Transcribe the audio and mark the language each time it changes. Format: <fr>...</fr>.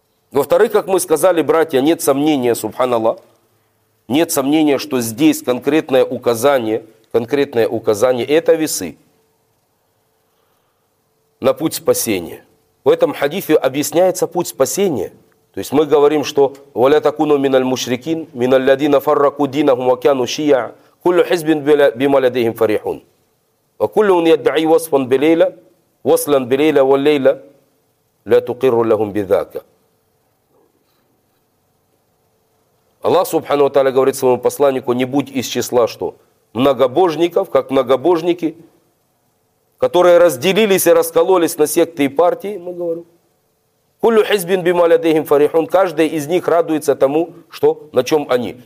<ru>Во-вторых, как мы сказали, братья, нет сомнения, субханаллах, нет сомнения, что здесь конкретное указание, это весы на путь спасения. В этом хадифе объясняется путь спасения. То есть мы говорим, что</ru> <ar>«Валя такуну миналь мушрикин, миналь ладина фарраку динаху макяну шия». كل حزب بما لديهم فريحون وكل يدعي وصفا بليلة وصلا بليلة والليلة لا تقر لهم بذاك.</ar> <ru>Аллах субхану ва тааля говорит своему посланнику, не будь из числа что многобожников, как многобожники, которые разделились и раскололись на секты и партии, мы говорим.</ru> <ar>كل حزب بما لديهم فريحون,</ar> <ru>каждый из них радуется тому, что на чем они.</ru>